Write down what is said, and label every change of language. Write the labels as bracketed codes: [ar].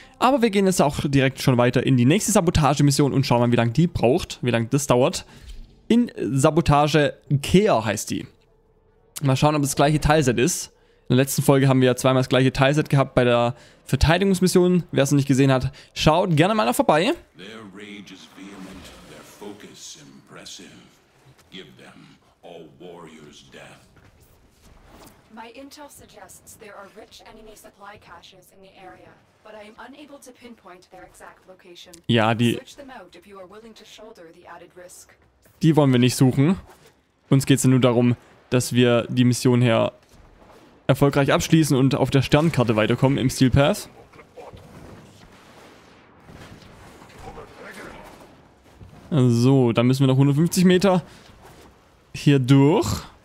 [de] Aber wir gehen jetzt auch direkt schon weiter in die nächste Sabotage-Mission und schauen mal, wie lange die braucht, wie lange das dauert. In Sabotage Care heißt die. Mal schauen, ob das gleiche Teilset ist. In der letzten Folge haben wir ja zweimal das gleiche Teilset gehabt bei der Verteidigungsmission. Wer es noch nicht gesehen hat, schaut gerne mal da vorbei. [en] Their rage is vehement, their focus impressive. Give them all warriors death. My intel suggests there are rich enemy supply caches in the area, but I am unable to pinpoint their exact location. [de] Ja, die... [en] Search them out if you are willing to shoulder the added risk. [de] Die wollen wir nicht suchen. Uns geht es nur darum, dass wir die Mission hier erfolgreich abschließen und auf der Sternkarte weiterkommen im Steel Path. So, dann müssen wir noch 150 Meter hier durch.